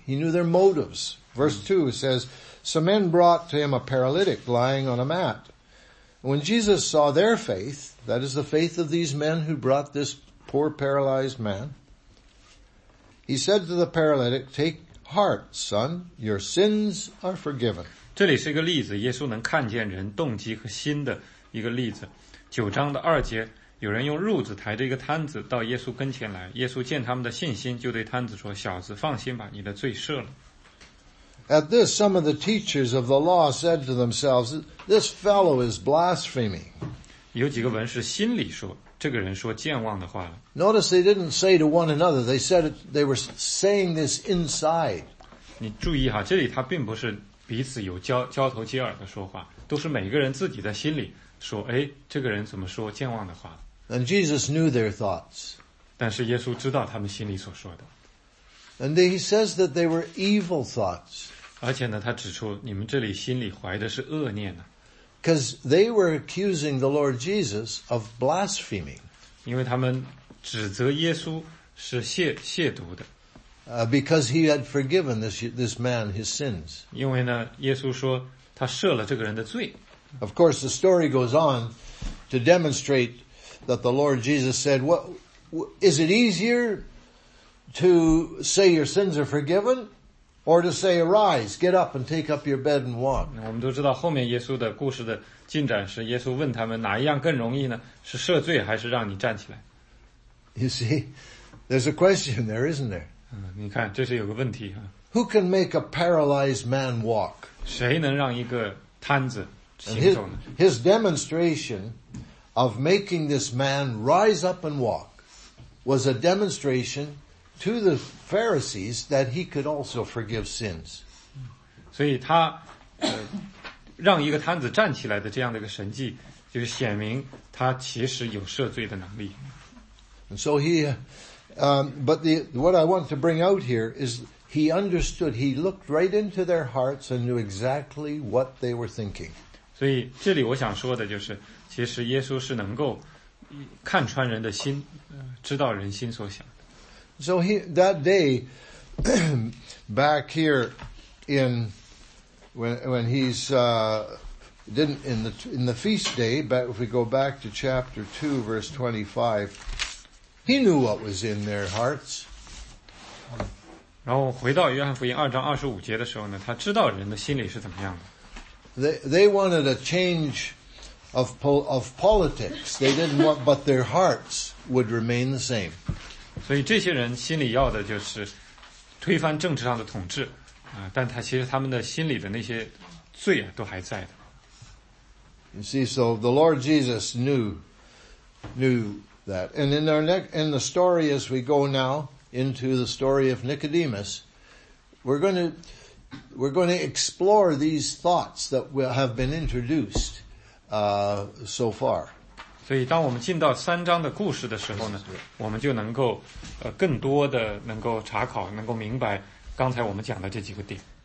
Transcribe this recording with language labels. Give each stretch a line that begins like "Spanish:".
English: He knew their motives. Verse 2 says, Some men brought to him a paralytic lying on a mat. When Jesus saw their faith, that is the faith of these men who brought this poor paralyzed man, he said to the paralytic, Take heart, son, your sins are forgiven.
Chinese: 这里是一个例子，耶稣能看见人动机和心的一个例子。九章的二节，有人用褥子抬着一个摊子到耶稣跟前来，耶稣见他们的信心，就对摊子说，小子，放心吧，你的罪赦了。
English: At this, some of the teachers of the law said to themselves, This fellow is blaspheming.
Chinese: 有几个文士心里说，这个人说健忘的话了。
English: Notice they didn't say to one another, they were saying this inside.
Chinese: 你注意哈，这里他并不是彼此有交头接耳的说话，都是每个人自己在心里说，哎，这个人怎么说健忘的话了。
English: And Jesus knew their thoughts.
Chinese: 但是耶稣知道他们心里所说的。
English: And he says that they were evil thoughts.
Chinese: 而且呢，他指出你们这里心里怀的是恶念呢。
English: Because they were accusing the Lord Jesus of blaspheming.
Chinese: 因为他们指责耶稣是亵渎的。
English: Because he had forgiven this man his sins.
Chinese: 因为呢，耶稣说他赦了这个人的罪。
English: Of course, the story goes on to demonstrate that the Lord Jesus said, "What is it easier to say your sins are forgiven?" Or to say, arise, get up and take up your bed and walk.
Chinese: 我们都知道后面耶稣的故事的进展是耶稣问他们哪一样更容易呢？是赦罪还是让你站起来
English: ？You see, There's a question there, isn't there?
Chinese: 你看，这是有个问题啊。
English: Who can make a paralyzed man walk?
Chinese: 谁能让一个瘫子行走呢？
English: His demonstration of making this man rise up and walk was a demonstration to the Pharisees that he could also forgive sins.
Chinese: 所以他让一个瘫子站起来的这样的一个神迹，就是显明他其实有赦罪的能力。
English: And so he, but what I want to bring out here is he understood, he looked right into their hearts and knew exactly what they were thinking.
Chinese: 所以这里我想说的就是，其实耶稣是能够看穿人的心，知道人心所想的。
English: So he, that day, back here in, when he's, didn't in the feast day, but if we go back to chapter 2, verse 25, he knew what was in their hearts.
Chinese: 然后回到约翰福音二章二十五节的时候呢，他知道人的心里是怎么样的。
English: They wanted a change of politics. They didn't want, but their hearts would remain the same.
Chinese: 所以这些人心里要的就是推翻政治上的统治，但他其实他们的心里的那些罪啊都还在的。
English: You see, so the Lord Jesus knew that. And in the story as we go now into the story of Nicodemus, we're going to explore these thoughts that have been introduced, so far.
Chinese: 所以当我们进到三章的故事的时候呢，我们就能够更多的能够查考，能够明白刚才我们讲的这几个点。